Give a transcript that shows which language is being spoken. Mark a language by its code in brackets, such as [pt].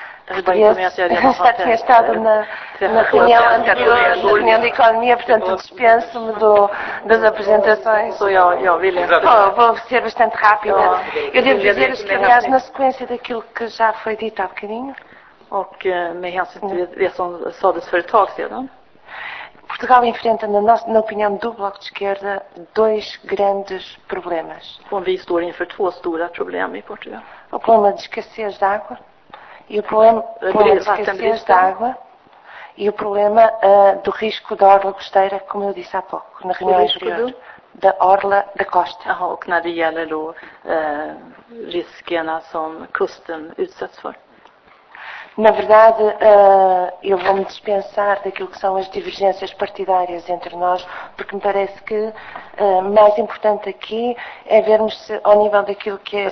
[pt] Já tinha estado na reunião anterior, reunião de economia, portanto dispenso-me das apresentações. Vou ser bastante rápida. Eu devo dizer que, aliás, na sequência daquilo que já foi dito há bocadinho. [sv] Och med hänsyn till det som sades för ett tag sedan. [pt] Portugal enfrenta, na opinião do Bloco de Esquerda, dois grandes problemas. [sv] Och vi står inför två stora problem i Portugal. [pt] O problema de escassez de água. E o problema de escassez de água. E o problema do risco da orla costeira, como eu disse há pouco, na reunião anterior. Da orla da costa. [sv] Och när det gäller då riskerna som kusten utsätts för. [pt] Na verdade, eu vou-me dispensar daquilo que são as divergências partidárias entre nós, porque me parece que mais importante aqui é vermos se ao nível daquilo que é a